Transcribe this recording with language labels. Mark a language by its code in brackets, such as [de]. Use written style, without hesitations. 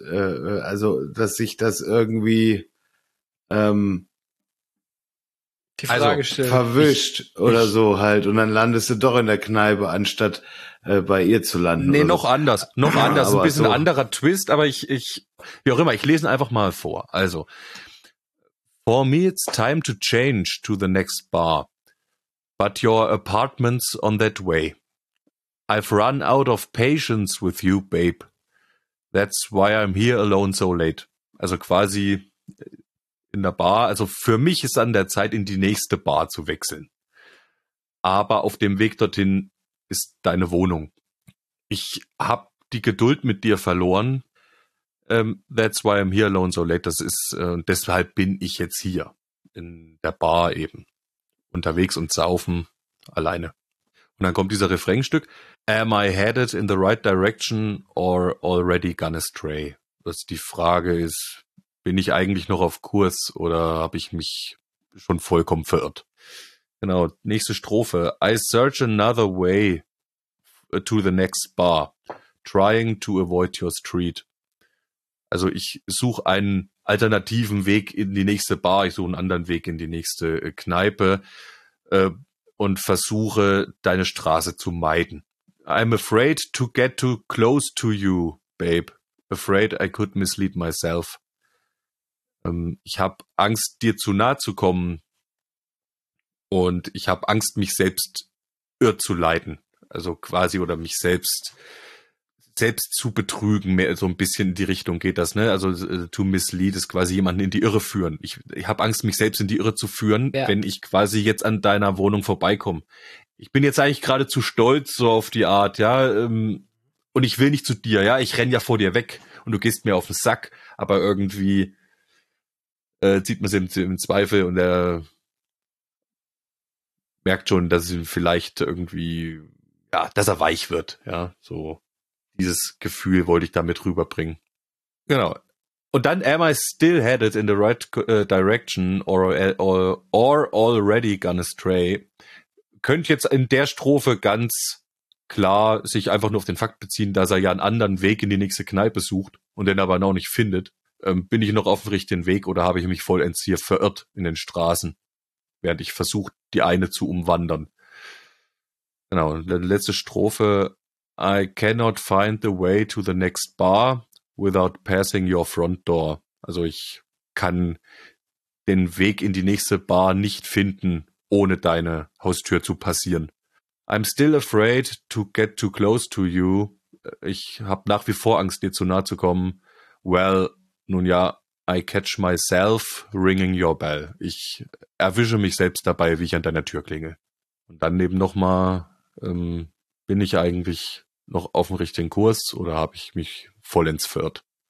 [de] Also, dass sich das irgendwie die Frage also, stellt. Verwischt ich, oder ich, so halt und dann landest du doch in der Kneipe, anstatt bei ihr zu landen. Nee, noch was? Anders. Noch anders. Ein bisschen so. Anderer Twist, aber ich wie auch immer, ich lese einfach mal vor. [en] Also, for me it's time to change to the next bar, but your apartment's on that way. I've run out of patience with you, babe. That's why I'm here alone so late. [de] Also quasi in der Bar, also für mich ist an der Zeit, in die nächste Bar zu wechseln. Aber auf dem Weg dorthin ist deine Wohnung. Ich hab die Geduld mit dir verloren. [en] That's why I'm here alone so late. [de] Das ist, deshalb bin ich jetzt hier in der Bar eben unterwegs und saufen alleine. Und dann kommt dieser Refrainstück. [en] Am I headed in the right direction or already gone astray? [de] Also die Frage ist, bin ich eigentlich noch auf Kurs oder habe ich mich schon vollkommen verirrt? Genau, nächste Strophe. [en] I search another way to the next bar, trying to avoid your street. [de] Also ich suche einen alternativen Weg in die nächste Bar, ich suche einen anderen Weg in die nächste Kneipe und versuche, deine Straße zu meiden. [en] I'm afraid to get too close to you, babe. Afraid I could mislead myself. [de] Ich habe Angst, dir zu nahe zu kommen. Und ich habe Angst, mich selbst irr zu leiten. Also quasi, oder mich selbst zu betrügen, mehr so ein bisschen in die Richtung geht das, ne? Also to mislead ist quasi jemanden in die Irre führen. Ich habe Angst, mich selbst in die Irre zu führen, ja. Wenn ich quasi jetzt an deiner Wohnung vorbeikomme. Ich bin jetzt eigentlich gerade zu stolz so auf die Art, ja, und ich will nicht zu dir, ja, ich renne ja vor dir weg und du gehst mir auf den Sack, aber irgendwie zieht man es im Zweifel und er merkt schon, dass es ihm vielleicht irgendwie, ja, dass er weich wird, ja, so. Dieses Gefühl wollte ich damit rüberbringen. Genau. Und dann [en] am I still headed in the right direction or already gone astray? [de] Könnte jetzt in der Strophe ganz klar sich einfach nur auf den Fakt beziehen, dass er ja einen anderen Weg in die nächste Kneipe sucht und den aber noch nicht findet. Bin ich noch auf dem richtigen Weg oder habe ich mich vollends hier verirrt in den Straßen, während ich versuche, die eine zu umwandern? Genau. Letzte Strophe. [en] I cannot find the way to the next bar, without passing your front door. [de] Also ich kann den Weg in die nächste Bar nicht finden, ohne deine Haustür zu passieren. [en] I'm still afraid to get too close to you. [de] Ich habe nach wie vor Angst, dir zu nahe zu kommen. [en] Well, [de] nun ja, [en] I catch myself ringing your bell. [de] Ich erwische mich selbst dabei, wie ich an deiner Tür klingel. Und dann eben nochmal, bin ich eigentlich noch auf dem richtigen Kurs oder habe ich mich vollends verirrt?